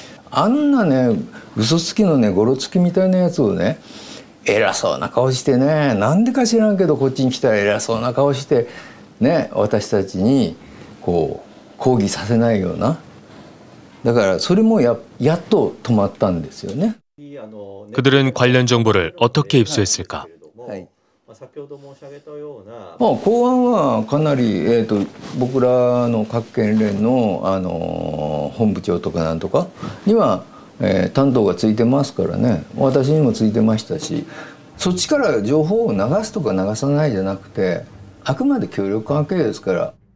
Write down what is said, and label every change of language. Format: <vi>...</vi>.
<ja>あんなね、嘘つきのね、ゴロつきみたいなやつをね、偉そうな顔してね、なんでか知らんけど、こっちに来たら偉そうな顔して、ね、私たちに、こう、抗議させないような。だから、それも やっと止まったんですよね。</ja> <ko>그들은관련정보를어떻게입수했을까?</ko> <ja>まあ、公安はかなり、僕らの各県連 の、 本部長とかなんとかには、担当がついてますからね私にもついてましたしそっちから情報を流すとか流さないじゃなくてあくまで協力関係ですから</ja>